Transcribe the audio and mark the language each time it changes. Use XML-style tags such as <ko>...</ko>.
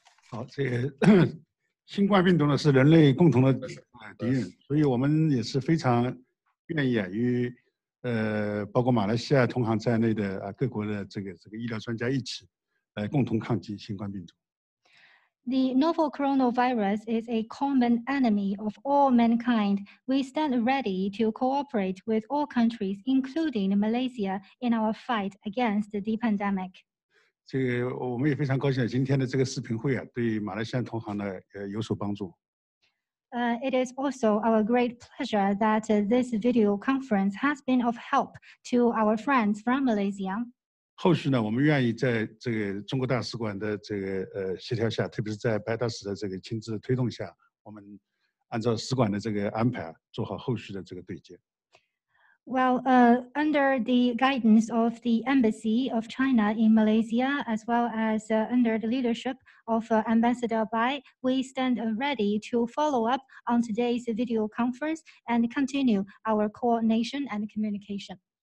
<zh>好，这个新冠病毒呢是人类共同的敌人，所以我们也是非常愿意与包括马来西亚同行在内的各国的这个医疗专家一起来共同抗击新冠病毒。</zh> <en>The novel coronavirus is a common enemy of all mankind. We stand ready to cooperate with all countries, including Malaysia, in our fight against the pandemic.</en> <zh>这个我们也非常高兴今天的这个视频会啊对马来西亚同行呢有所帮助。</zh> <en>It is also our great pleasure that this video conference has been of help to our friends from Malaysia.</en> <zh>后续呢我们愿意在这个中国大使馆的这个协调下，特别是在白大使的这个亲自推动下，我们按照使馆的这个安排做好后续的这个对接。</zh> <en>Well, under the guidance of the Embassy of China in Malaysia, as well as under the leadership of Ambassador Bai, we stand ready to follow up on today's video conference and continue our coordination and communication.</en>